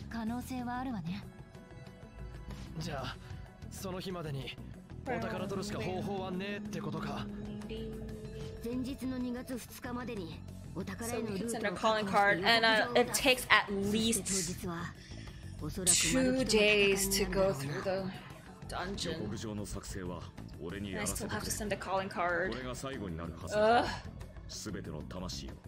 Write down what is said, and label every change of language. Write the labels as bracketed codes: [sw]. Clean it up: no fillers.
[ja] マルキ先生が指定した日付は確か2月3日だったよね。それが完全な侵食までの期限なのかな。可能性はあるわね。じゃあその日までにお宝取るしか方法はねえってことか。前日の2月2日までにお宝への [en] calling card, and it takes at least 2 days to go through the dungeon. [ja] 牧場の作成は俺にやらせてくれ。 [en] I still have to send a calling card. [ja] 俺が最後になるはずだ。全ての魂を。